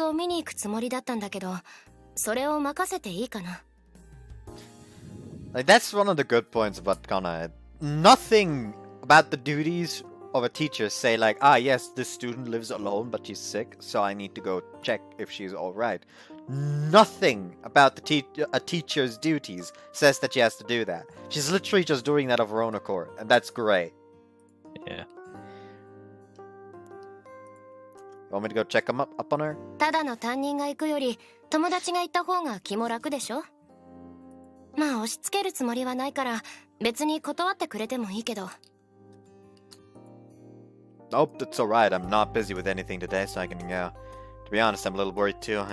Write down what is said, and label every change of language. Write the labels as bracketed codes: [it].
[ja] 電話もできて、意識ははっきりしているとはいえ、家に誰もいないんだから。念のために後で様子を見に行くつもりだったんだけど、 それを任せていいかな? [en] Like, that's one of the good points about Kanae. Nothing about the duties of a teacher say like, ah yes, this student lives alone but she's sick, so I need to go check if she's alright. Nothing about a teacher's duties says that she has to do that. She's literally just doing that of her own accord, and that's great. Yeah. You want me to go check up on her? [ja] ただの担任が行くより、 友達が行った方が気も楽でしょ?まあ押し付けるつもりはないから、別に断ってくれてもいいけど。 [en] Nope, that's alright. I'm not busy with anything today, so I can go. To be honest, I'm a little worried too.